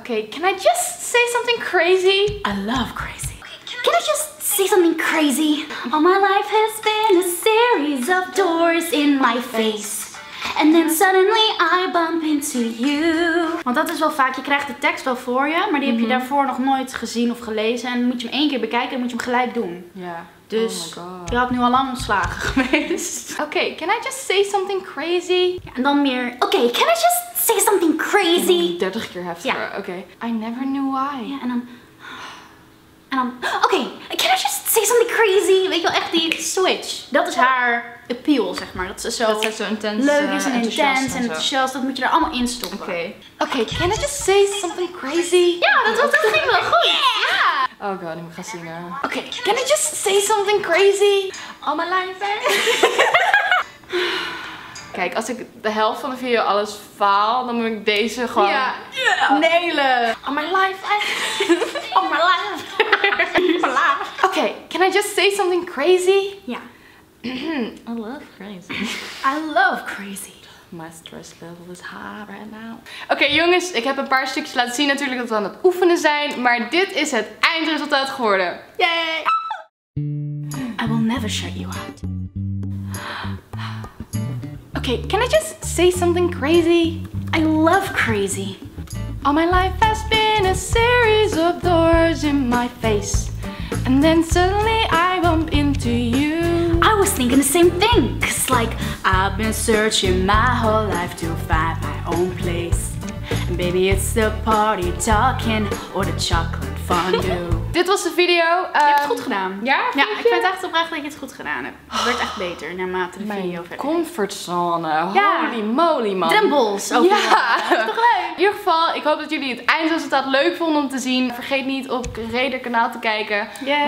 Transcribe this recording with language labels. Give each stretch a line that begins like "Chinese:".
English: Can I just say something crazy? I love crazy. Can I just say something crazy? All my life has been a series of doors in my face. And then suddenly I bump into you.
Dutch: Want dat is wel vaak, je krijgt de tekst wel voor je, maar die heb je daarvoor nog nooit gezien of gelezen. En dan moet je hem één keer bekijken en moet je hem gelijk doen. Ja. Yeah. Dus je had nu al lang ontslagen geweest.
English: Oké, can I just say something crazy?
Dutch: En dan meer, oké,
English: can I just say something crazy?
Dutch: 30 keer heftiger, oké.
English: I never knew why.
Dutch: Ja, en dan...
English: oké, can I just say something crazy?
Dutch: Weet je wel, echt die switch. Dat is haar appeal, zeg maar. Dat ze zo, dat zo intense, leuk is en intens en enthousiast. Dat moet je er allemaal in stoppen. Oké, can I just say something crazy? Ja, dat ging wel goed. Yeah. Oh god, ik moet gaan zingen.
English: Oké, can I just say something crazy? All my life, eh?
Dutch: Kijk, als ik de helft van de video alles faal, dan moet ik deze gewoon
English: nailen. All my life, eh? All my life. Can I just say something crazy? Yeah. I love crazy. I love crazy. My stress level is high right now.
Dutch: Oké, jongens, ik heb een paar stukjes laten zien natuurlijk dat we aan het oefenen zijn. Maar dit is het eindresultaat geworden. Yay!
English: I will never shut you out. Oké, can I just say something crazy? I love crazy. All my life has been... in a series of doors in my face. And then suddenly I bump into you. I was thinking the same thing, cause like I've been searching my whole life to find my own place. And baby, it's the party talking or the chocolate fondue.
Dutch: Dit was de video. Je hebt het goed gedaan. Ja? Ja, ik vind het echt oprecht dat je het goed gedaan hebt. Het werd echt beter naarmate de mijn video verder. Comfortzone. Ja.
English: Holy moly, man.
Dutch: Drempels. Ja. Dat is toch leuk? In ieder geval, ik hoop dat jullie het eindresultaat leuk vonden om te zien. Vergeet niet op Reder kanaal te kijken. Yay.